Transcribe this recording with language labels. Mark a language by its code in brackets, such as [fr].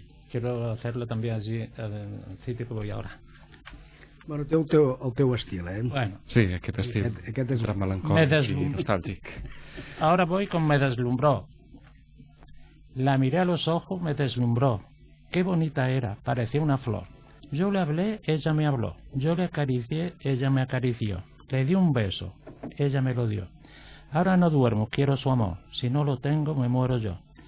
[es] Quiero hacerlo también así, el sitio que voy ahora. [ca] Bueno, té el teu estil, eh? Bueno, sí, aquest estil. Aquest és melancòlic i nostàlgic. [es] Ahora voy con me deslumbró. La miré a los ojos, me deslumbró. Qué bonita era, parecía una flor. Yo le hablé, ella me habló. Yo le acaricié, ella me acarició. Le di un beso, ella me lo dio. Ahora no duermo, quiero su amor. Si no lo tengo, me muero yo.